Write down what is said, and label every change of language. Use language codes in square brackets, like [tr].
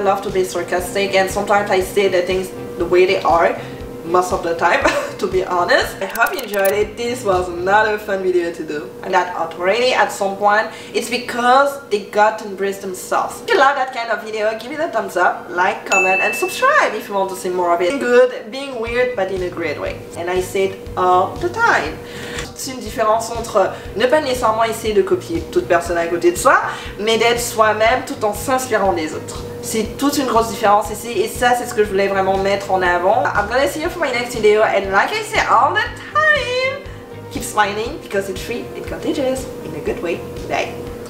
[en] I love to be sarcastic, and sometimes I say the things the way they are, most of the time, to be honest. I hope you enjoyed it. This was another fun video to do. And that authority at some point, it's because they got to embrace themselves. If you like that kind of video, give it a thumbs up, like, comment, and subscribe if you want to see more of it. Being good, being weird, but in a great way. And I say it all the time. [fr] C'est une différence entre ne pas nécessairement essayer de copier toute personne à côté de soi, mais d'être soi-même tout en s'inspirant des autres. C'est toute une grosse différence ici, et ça, c'est ce que je voulais vraiment mettre en avant. [en] I'm gonna see you for my next video, and like I say all the time, keep smiling, because it's free and contagious, in a good way. Bye.